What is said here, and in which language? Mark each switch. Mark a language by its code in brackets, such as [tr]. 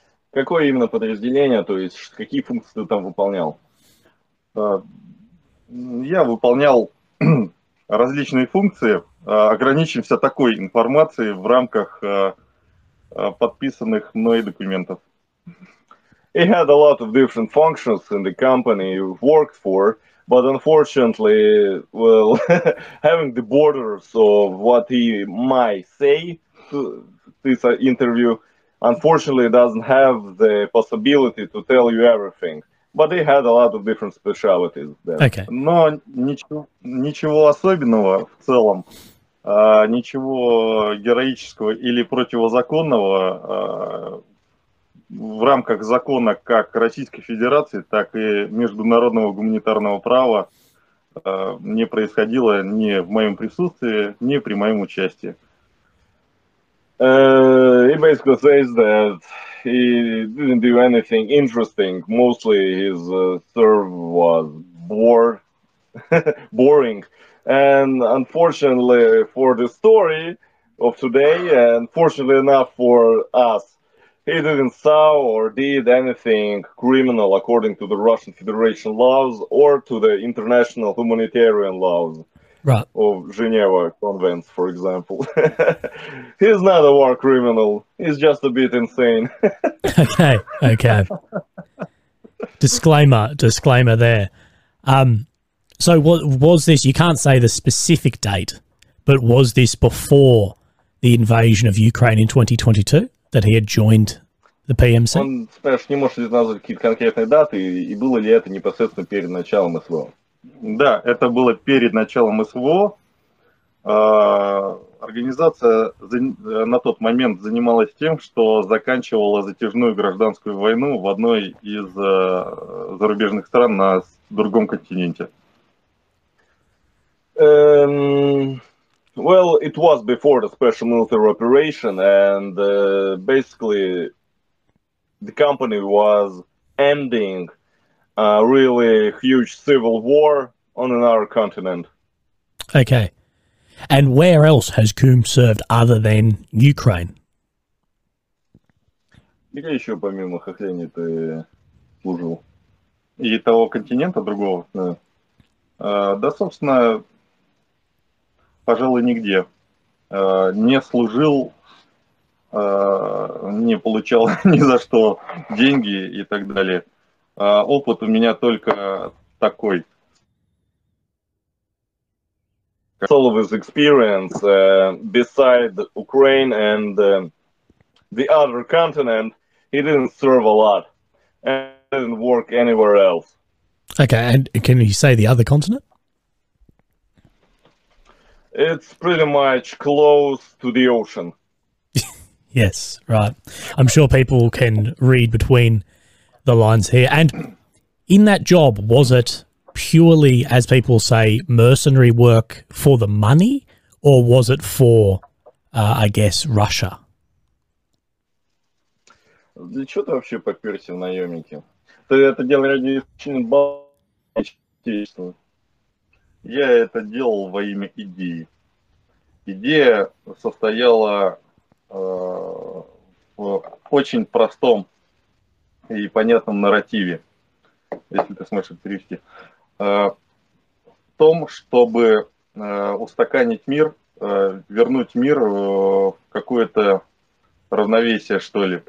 [ru] Какое именно подразделение, то есть какие функции ты там выполнял? Я выполнял различные функции, ограничимся такой информацией в рамках подписанных мной документов. [en] It had a lot of different functions in the company you've worked for, but unfortunately, well, having the borders of what he might say to this interview, unfortunately, doesn't have the possibility to tell you everything. But he had a lot of different specialties there. Okay. [ru] Но ничего особенного в целом, ничего героического или противозаконного в рамках закона как Российской Федерации, так и международного гуманитарного права не происходило ни в моем присутствии, ни при моем участии. [en] He basically says that he didn't do anything interesting. Mostly his serve was boring. And unfortunately for the story of today, and fortunately enough for us, he didn't saw or did anything criminal according to the Russian Federation laws or to the international humanitarian laws. Right. Of Geneva Convents, for example. He's not a war criminal. He's just a bit insane. Okay. Disclaimer there. So was this, you can't say the specific date, but was this before the invasion of Ukraine in 2022 that he had joined the PMC? [ru] Он спрашивает, не может ли назвать какие-то конкретные даты, и было ли это непосредственно перед началом СВО? Да, это было перед началом СВО. Организация на тот момент занималась тем, что заканчивала затяжную гражданскую войну в одной из зарубежных стран на другом континенте. [en] Well, it was before the special military operation, and basically the company was ending a really huge civil war on our continent. Okay. And where else has Coombe served other than Ukraine? [ru] Где еще помимо Хохлени ты служил? И того континента другого? Да, собственно, пожалуй, нигде. Не служил, не получал ни за что деньги и так далее. Опыт у меня только такой. [en] All of his experience beside Ukraine and the other continent, he didn't serve a lot and didn't work anywhere else. Okay, and can you say the other continent? It's pretty much close to the ocean. Yes, right. I'm sure people can read between the lines here. And in that job, was it purely, as people say, mercenary work for the money, or was it for, I guess, Russia? [ru] Для чего ты вообще поперся в наемники? Ты это делал ради очень большого. Я это делал во имя идеи. Идея состояла в очень простом и понятном нарративе, если ты сможешь перевести, в том, чтобы устаканить мир, вернуть мир в какое-то равновесие, что ли.